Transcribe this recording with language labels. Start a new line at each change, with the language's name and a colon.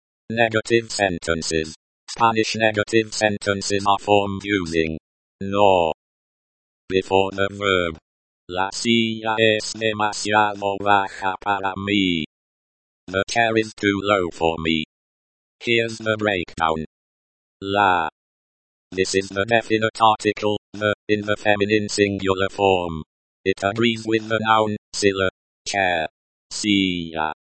English: Negative sentences. Spanish negative sentences are formed using no before the verb.
Spanish: La silla es demasiado baja para mí.
English: The chair is too low for me. Here's the breakdown. La. This is the definite article, the, in the feminine singular form. It agrees with the noun, silla, chair, silla.